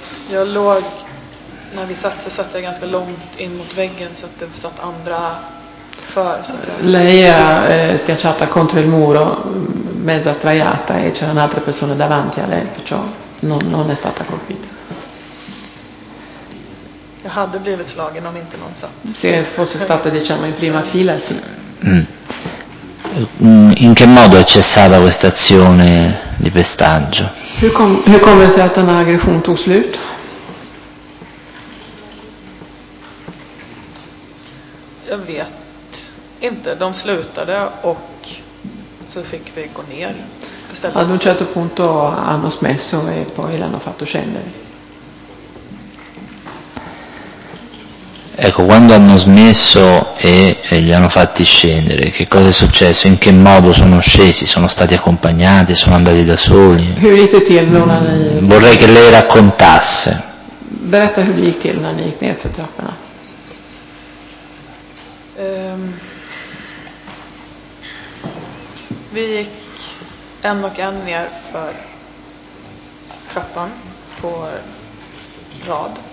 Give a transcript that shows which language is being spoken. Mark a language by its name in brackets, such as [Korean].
[Swedish] Jag låg, när vi satt, så satt jag ganska långt in mot väggen så att det satt andra för. [Italian] Lei ha schiacciata contro il muro, mezza straiata, e c'era un'altra persona davanti a lei, perciò non è stata colpita. [Swedish] Jag hade blivit slagen om inte någon satt. [Italian] Se fosse stata, diciamo, in prima fila, sì. In che modo è cessata questa azione di pestaggio? [Swedish] Hur kom det sig att den här aggressionen tog slut? Jag vet inte. De slutade och så fick vi gå ner. [Italian] Ad un certo punto hanno smesso e poi l'hanno fatto scendere. Ecco, quando hanno smesso e li hanno fatti scendere, che cosa è successo? In che modo sono scesi? Sono stati accompagnati? Sono andati da soli? [Swedish] Hur gick det till när ni... [Italian] Vorrei che lei raccontasse. [Swedish] Berätta hur gick till när ni gick ner för trapporna. Vi gick en och en ner för trappan på rad,